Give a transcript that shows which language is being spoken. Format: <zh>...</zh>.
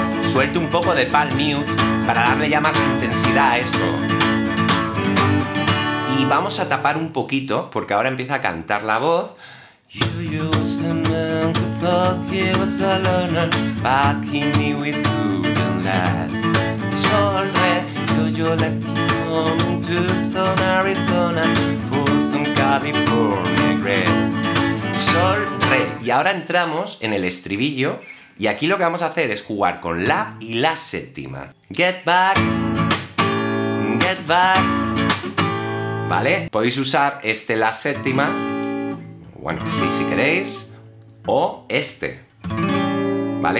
<es>Suelto un poco de palm mute para darle ya más intensidad a esto. Y vamos a tapar un poquito porque ahora empieza a cantar la voz.</es> <en>You was the man who thought he was a loner, but he knew it couldn't last. Sol re, you left home in Tucson, Arizona, for some California grass.</en> <es>Sol re. Y ahora entramos en el estribillo. Y aquí lo que vamos a hacer es jugar con la y la séptima.</es> <en>Get back, get back.</en> <es>¿Vale? Podéis usar este la séptima. Bueno, sí, si queréis. O este. ¿Vale?</es>